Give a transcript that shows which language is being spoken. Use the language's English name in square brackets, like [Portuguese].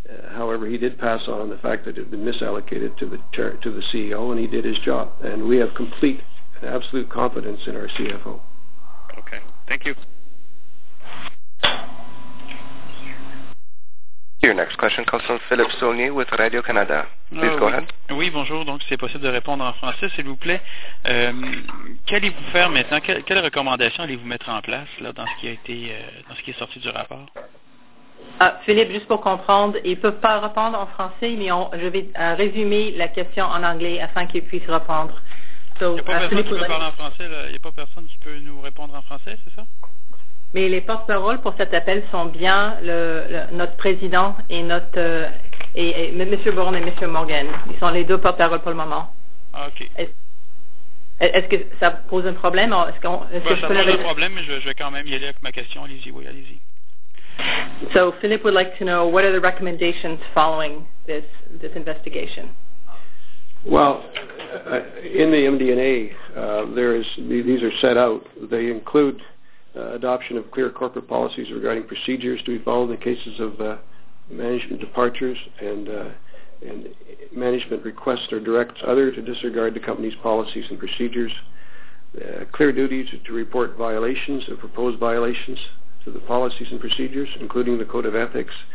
[English] However, he did pass on the fact that it had been misallocated to the CEO, and he did his job. And we have complete and absolute confidence in our CFO. Okay. Thank you. Your next next question comes from Philippe Saulnier with Radio Canada. Please go ahead. [French] Oui, bonjour. Donc, c'est possible de répondre en français, s'il vous plaît. Qu'allez-vous faire maintenant? Quelles recommandations allez-vous mettre en place là, dans ce qui a été, dans ce qui est sorti du rapport? Philippe, juste pour comprendre, ils ne peuvent pas répondre en français, mais je vais résumer la question en anglais afin qu'ils puissent répondre. Il n'y a pas personne qui peut parler en français, là. Il n'y a pas personne qui peut nous répondre en français, c'est ça? Mais les porte-paroles pour cet appel sont bien notre président et notre et M. Bourne et M. Morgan. Ils sont les deux porte-paroles pour le moment. Ah, OK. Est-ce que ça pose un problème? Je vais quand même y aller avec ma question. Allez-y, oui, allez-y. [English] So, Philippe would like to know, what are the recommendations following this investigation? Well, in the MD&A, these are set out. They include adoption of clear corporate policies regarding procedures to be followed in the cases of management departures and management requests or directs others to disregard the company's policies and procedures, clear duties to report violations or proposed violations to the policies and procedures, including the code of ethics.